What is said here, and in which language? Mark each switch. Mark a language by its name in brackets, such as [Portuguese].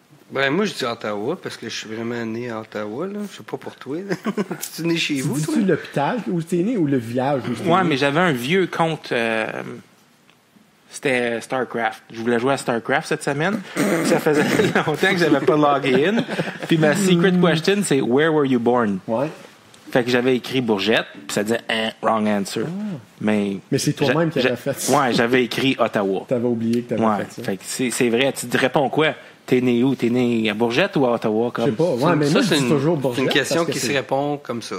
[French] Ben, moi, je dis Ottawa, parce que je suis vraiment né à Ottawa, là. Je sais pas pour toi, là. Tu es né chez vous, toi? Tu dis-tu l'hôpital où t'es né ou le village où t'es ouais, né? Mais j'avais un vieux compte. C'était StarCraft. Je voulais jouer à StarCraft cette semaine. Ça faisait longtemps que j'avais pas logué in. Puis ma secret question, c'est [English] Where were you born? [French] Ouais. Fait que j'avais écrit Bourgette, puis ça disait [English] wrong answer. [French] Ah. Mais c'est toi-même qui avais fait ça. Ouais, j'avais écrit Ottawa. T'avais oublié que t'avais fait ça. Fait que c'est vrai. Tu te réponds quoi? T'es né où? T'es né à Bourgette ou à Ottawa? Comme... Je sais pas. Ouais, mais ça, moi, c'est toujours Bourgette. C'est une question qui se répond comme ça.